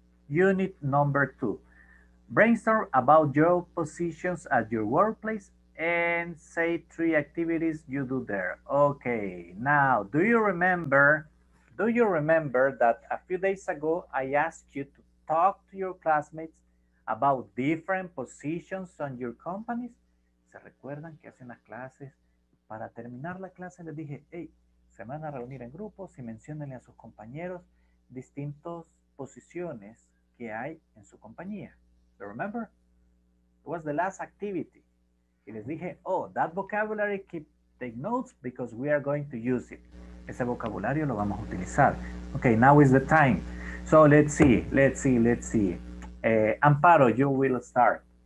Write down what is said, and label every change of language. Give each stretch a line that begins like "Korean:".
English: Unit number 2. Brainstorm about your positions at your workplace and say 3 activities you do there. Okay. Now, do you remember Do you remember that a few days ago I asked you to talk to your classmates about different positions on your companies?
Spanish: ¿Se recuerdan que hace unas clases? Para terminar la clase les dije, hey, se van a reunir en grupos y menciónenle a sus compañeros distintas posiciones que hay en su compañía.
English: ¿Lo remember? It was the last activity.
Spanish: Y les dije,
English: oh, that vocabulary, keep, take notes because we are going to use it.
Spanish: Ese vocabulario lo vamos a utilizar. Okay,
English: now is the time. So let's see, let's see, let's see. Amparo, you will start.